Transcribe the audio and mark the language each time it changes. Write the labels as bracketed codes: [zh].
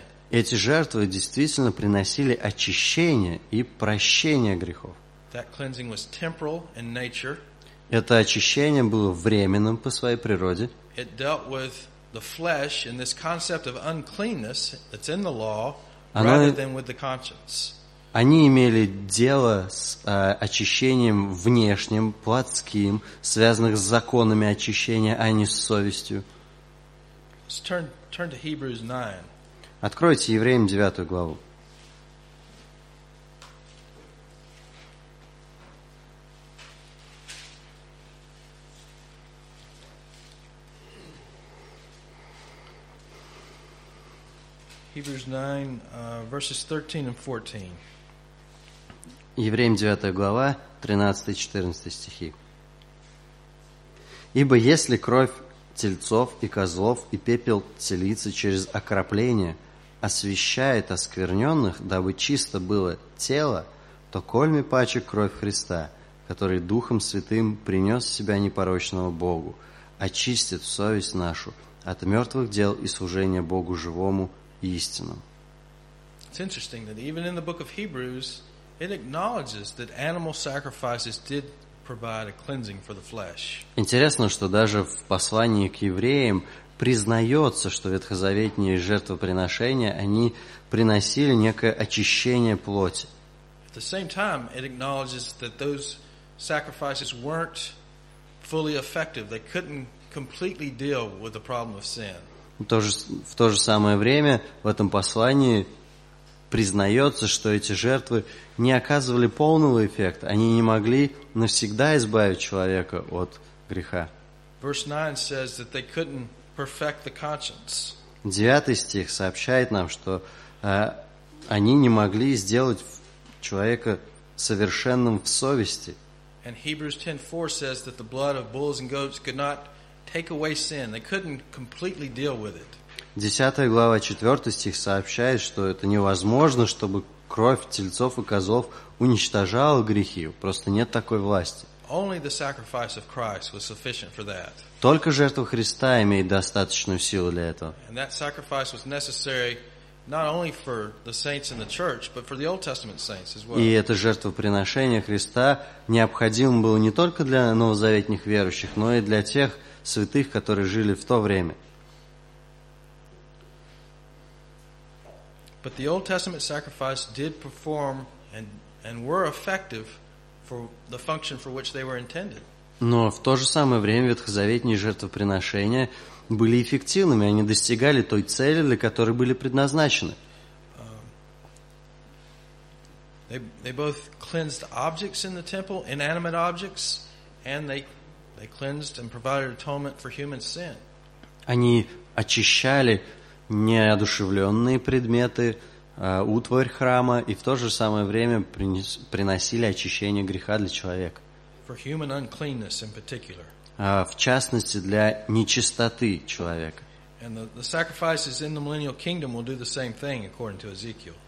[ru] Эти жертвы действительно приносили очищение и прощение грехов. [en] That cleansing was temporal in nature. [ru] Это очищение было временным по своей природе. [en] It dealt with the flesh and this concept of uncleanness that's in the law, rather than with the conscience. [ru] Они имели дело с очищением внешним, плотским, связанных с законами очищения, а не с совестью. [en] Let's turn to Hebrews 9. [ru] Откройте Евреям 9 главу. [en] Hebrews 9, verses 13 and 14. [ru] Евреям 9 глава, 13 и 14 стихи. «Ибо если кровь тельцов и козлов и пепел телицы через окропление освящает оскверненных, дабы чисто было тело, то кольми паче кровь Христа, который Духом Святым принес себя непорочного Богу, очистит совесть нашу от мертвых дел и служения Богу живому». [en] It's interesting that even in the book of Hebrews, it acknowledges that animal sacrifices did provide a cleansing for the flesh. [ru] Интересно, что даже в послании к евреям признается, что ветхозаветные жертвоприношения они приносили некое очищение плоти. [en] At the same time, it acknowledges that those sacrifices weren't fully effective. They couldn't completely deal with the problem of sin. [ru] В то же самое время в этом послании признается, что эти жертвы не оказывали полного эффекта, они не могли навсегда избавить человека от греха. [en] Verse 9 says that they couldn't perfect the conscience. [ru] Девятый стих сообщает нам, что они не могли сделать человека совершенным в совести. [en] And Hebrews 10:4 says that the blood of bulls and goats could not take away sin. They couldn't completely deal with it. [ru] Десятая глава, четвертый стих сообщает, что это невозможно, чтобы кровь тельцов и козлов уничтожала грехи. Просто нет такой власти. [en] Only the sacrifice of Christ was sufficient for that. [ru] Только жертва Христа имеет достаточную силу для этого. [en] And that sacrifice was necessary not only for the saints in the church, but for the Old Testament saints as well. [ru] И это жертвоприношение Христа необходимо было не только для новозаветных верующих, но и для тех святых, которые жили в то время. [en] But the Old Testament sacrifice did perform and were effective for the function for which they were intended. [ru] Но в то же самое время ветхозаветные жертвоприношения были эффективными, они достигали той цели, для которой были предназначены. [en] They both cleansed objects in the temple, inanimate objects, and they cleansed and provided atonement for human sin. [ru] Они очищали неодушевленные предметы, утварь храма, и в то же самое время приносили очищение греха для человека. [en] For human uncleanness in particular. [ru] В частности, для нечистоты человека. [en] And the sacrifices in the millennial kingdom will do the same thing, according to Ezekiel.